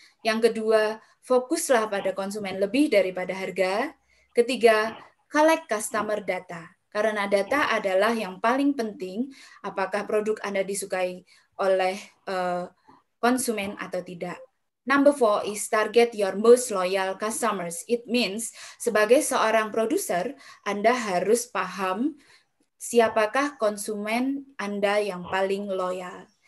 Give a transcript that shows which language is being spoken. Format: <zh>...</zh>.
<id>Yang kedua, fokuslah pada konsumen lebih daripada harga. Ketiga,</id> <en>collect customer data.</en> <id>Karena data adalah yang paling penting, apakah produk Anda disukai oleh konsumen atau tidak.</id> <en>Number four is target your most loyal customers. It means</en> <id>sebagai seorang produser, Anda harus paham siapakah konsumen Anda yang paling loyal.</id>